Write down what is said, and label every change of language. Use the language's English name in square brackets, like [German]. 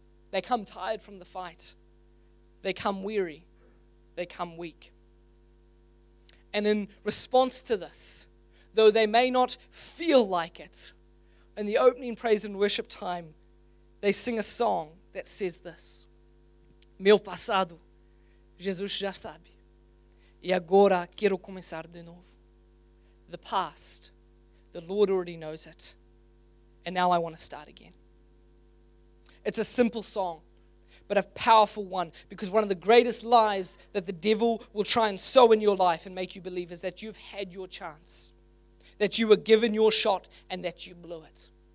[English] They come tired from the fight. They come weary. They come weak. And in response to this, though they may not feel like it, in the opening praise and worship time, they sing a song that says this: [Portuguese] Meu passado, Jesus já sabe. E agora quero começar de novo. [English] The past, the Lord already knows it. And now I want to start again. It's a simple song, but a powerful one, because one of the greatest lies that the devil will try and sow in your life and make you believe is that you've had your chance, that you were given your shot, and that you blew it.